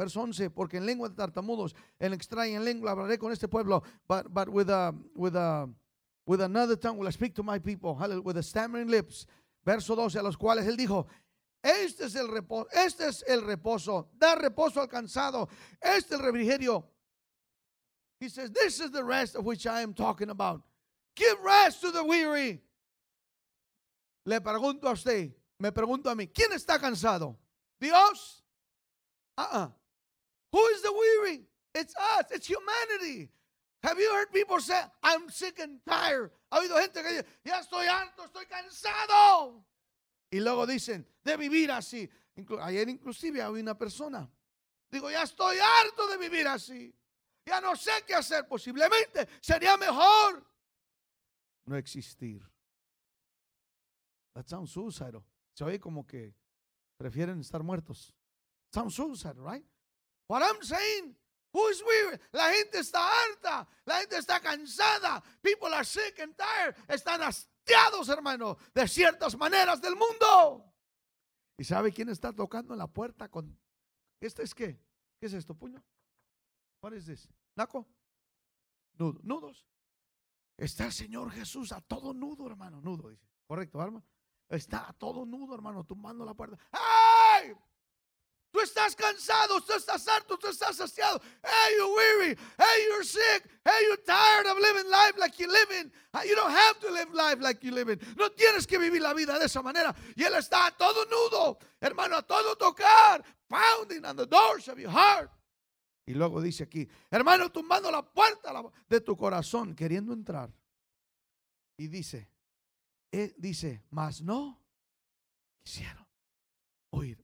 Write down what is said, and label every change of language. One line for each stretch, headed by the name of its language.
Spanish: Verso 11, porque en lengua de tartamudos, en extraña lengua hablaré con este pueblo,
English: but with another tongue will I speak to my people, with a stammering lips.
Spanish: Verso 12, a los cuales él dijo, este es el reposo, da reposo al cansado, este es el refrigerio.
English: He says, this is the rest of which I am talking about. Give rest to the weary.
Spanish: Le pregunto a usted, me pregunto a mí, ¿quién está cansado? Dios.
English: Who is the weary? It's us. It's humanity. Have you heard people say, I'm sick and tired?
Spanish: Ha habido gente que dice, ya estoy harto, estoy cansado. Y luego dicen, de vivir así. Ayer inclusive había una persona. Digo, ya estoy harto de vivir así. Ya no sé qué hacer. Posiblemente sería mejor no existir.
English: That sounds suicidal.
Spanish: Se oye como que prefieren estar muertos.
English: Sounds suicidal, right? What I'm saying, who is weary?
Spanish: La gente está harta. La gente está cansada.
English: People are sick and tired.
Spanish: Están hastiados, hermano, de ciertas maneras del mundo. ¿Y sabe quién está tocando la puerta? ¿Este es qué? ¿Qué es esto, puño? ¿Cuál es ese? ¿Naco? ¿Nudos? Está el Señor Jesús a todo nudo, hermano. Nudo, dice. Correcto, hermano. Está a todo nudo, hermano, tumbando la puerta. ¡Ay! Tú estás cansado, tú estás harto, tú estás saciado.
English: ¡Hey, you're weary! ¡Hey, you're sick! ¡Hey, you're tired of living life like you're living! You don't have to live life like you're living.
Spanish: No tienes que vivir la vida de esa manera. Y Él está a todo nudo, hermano, a todo tocar.
English: Pounding on the doors of your heart.
Spanish: Y luego dice aquí, hermano, tumbando la puerta de tu corazón, queriendo entrar. Y dice, mas no quisieron oír.